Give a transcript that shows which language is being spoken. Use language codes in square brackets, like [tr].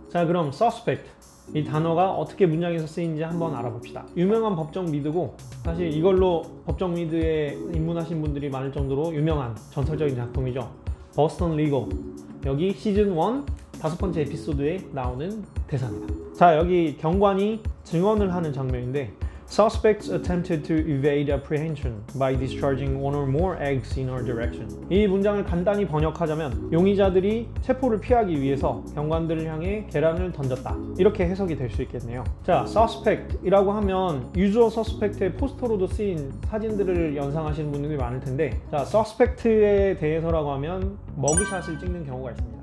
[ko] 자, 그럼 suspect 이 단어가 어떻게 문장에서 쓰인지 한번 알아봅시다. 유명한 법정 미드고 사실 이걸로 법정 미드에 입문하신 분들이 많을 정도로 유명한 전설적인 작품이죠. 보스턴 리거. 여기 시즌 1 다섯 번째 에피소드에 나오는 대사입니다. 자, 여기 경관이 증언을 하는 장면인데 [en] Suspects attempted to evade apprehension by discharging one or more eggs in our direction. [ko] 이 문장을 간단히 번역하자면 용의자들이 체포를 피하기 위해서 경관들을 향해 계란을 던졌다. 이렇게 해석이 될 수 있겠네요. 자, suspect이라고 하면 usual suspect의 포스터로도 쓰인 사진들을 연상하시는 분들이 많을 텐데 자, suspect에 대해서라고 하면 머그샷을 찍는 경우가 있습니다.